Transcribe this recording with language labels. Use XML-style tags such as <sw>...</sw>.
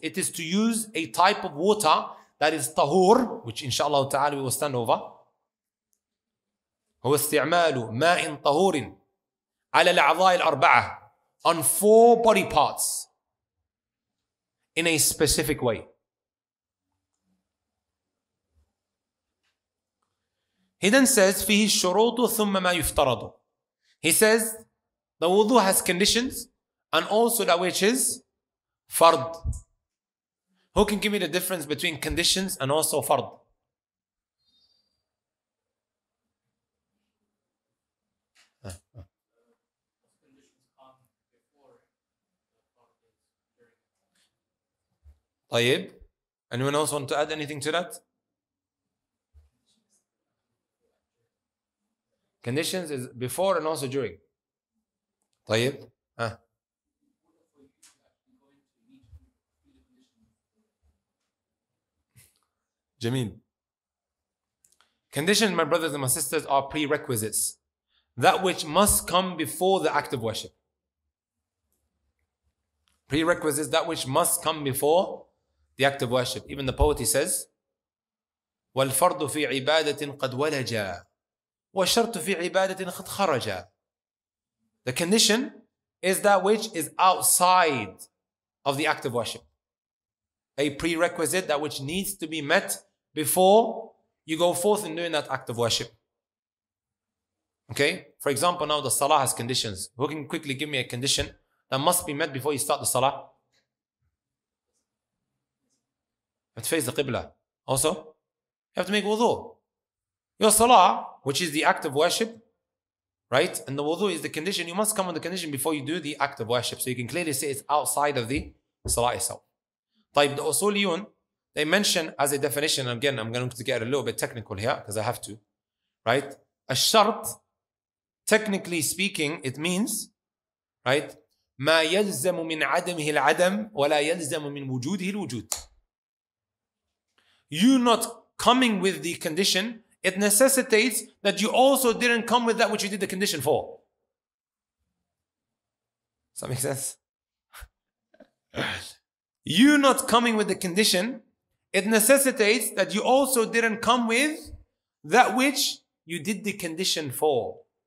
<en>It is to use a type of water that is tahur, which inshallah ta'ala we will stand over.</en> <ar>هو استعمال ماء طهور على الأعضاء الأربعة</ar> <en>on four body parts in a specific way. He then says</en> <ar>فيه الشروط ثم ما يفترض.</ar> <en>He says the wudu has conditions and also that which is fard. Who can give me the difference between conditions and also fard?</en> <ar>طيب,</ar> <en>anyone else want to add anything to that? Conditions is before and also during.</en> <ar>طيب. جميل.</ar> <en>Conditions, my brothers and my sisters, are prerequisites. That which must come before the act of worship. Prerequisites, that which must come before the act of worship. Even the poet, he says,</en> <ar>وَالْفَرْضُ فِي عِبَادَةٍ قَدْ وَلَجَى وَالشَّرْطُ فِي عِبَادَةٍ قَدْ خَرَجَى.</ar> <en>The condition is that which is outside of the act of worship. A prerequisite, that which needs to be met before you go forth in doing that act of worship. Okay? For example, now the salah has conditions. Who can quickly give me a condition that must be met before you start the salah? You have to face the qibla. Also, you have to make wudu. Your salah, which is the act of worship, right? And the wudu is the condition. You must come with the condition before you do the act of worship. So you can clearly say it's outside of the salah itself.</en> <ar>طيب,</ar> <en>the usuliyun, they mention as a definition, again, I'm going to get a little bit technical here because I have to, right? A shart, technically speaking, it means, right?</en> <ar>ما يلزم من عدمه العدم ولا يلزم من وجوده الوجود.</ar> <en>You not coming with the condition, it necessitates that you also didn't come with that which you did the condition for. Does that make sense? You not coming with the condition, it necessitates that you also didn't come with that which you did the condition for.</en>